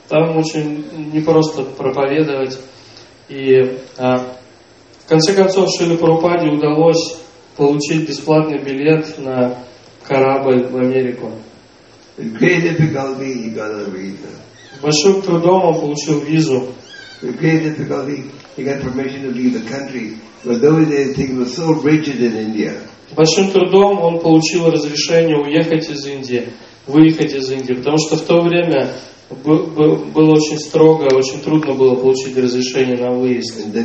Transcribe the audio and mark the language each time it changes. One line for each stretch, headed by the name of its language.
Russian: Там очень непросто проповедовать, и в конце концов Шриле Прабхупаде удалось получить бесплатный билет на корабль в Америку.
English: With great difficulty, he got a visa.
Russian: Большим трудом он получил визу.
English: With great difficulty, he got permission to leave the country. But those days, things were so rigid in India.
Russian: Большим трудом он получил разрешение уехать из Индии, выехать из Индии, потому что в то время было очень строго, очень трудно было получить разрешение на выезд.